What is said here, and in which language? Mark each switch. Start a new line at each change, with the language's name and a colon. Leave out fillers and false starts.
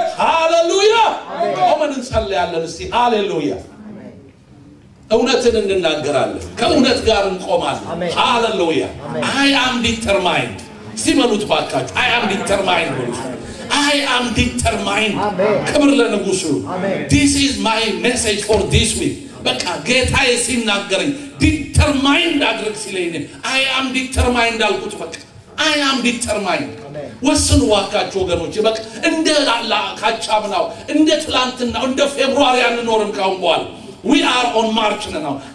Amharic: ሃሌሉያ። አሜን። እንጸልያለን እስቲ። ሃሌሉያ። እውነትን እንናገራለን። ከእውነት ጋር እንቆማለን። ሃሌሉያ። አይ አም ዲተርማይንድ። ሲመሉት ባካችሁ። አይ አም ዲተርማይንድ ነው።
English: I am determined. Amen.
Amharic: ክብር ለንጉሱ። አሜን።
English: This is my message for this week.
Amharic: በቃ ጌታዬ ሲናገረኝ determined አድርግ ሲለኝ I am determined አልኩት። በቃ
English: I am determined.
Amharic: አሜን። ወስኑ ዋካችሁ ወገኖች። በቃ እንደ አላ ካጫምናው እንደ ትላንትና እንደ ፌብሩዋሪ አንኖርም ካሁን በኋላ።
English: We are on march now.